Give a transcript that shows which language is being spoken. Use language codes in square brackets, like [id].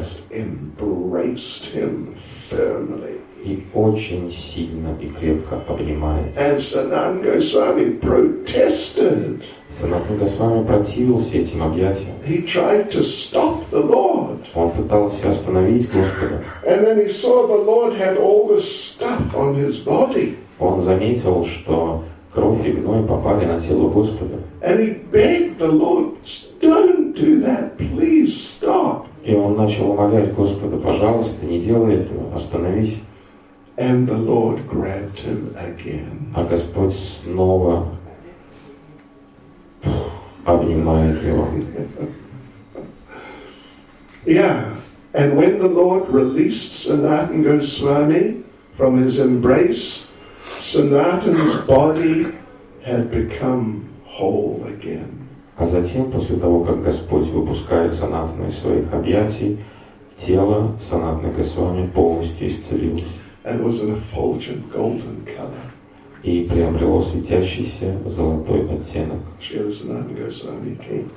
[en] Just embraced him firmly. [ru] И очень сильно и крепко обнимает. [en] And Sanatana Goswami protested. [ru] Санатана Госвами противился этим объятиям. [en] He tried to stop the Lord. [ru] Он пытался остановить Господа. [en] And then he saw the Lord had all the stuff on his body. [ru] Он заметил, что кровь и гной попали на тело Господа. [en] And he begged the Lord, "Don't do that, please stop." [ru] И он начал умолять Господа, пожалуйста, не делай этого, остановись. [en] And the Lord grabbed him again. [ru] А Господь снова обнимает его. [en] Yeah, and when the Lord released Sanatana Goswami from his embrace, Sanatana's body had become whole again. [ru] А затем, после того, как Господь выпускает Санатану из своих объятий, тело Санатаны Госвами полностью исцелилось. [en] And was in a effulgent golden color. [ru] И приобрело светящийся золотой оттенок. [en] Shri Sanatana Goswami came.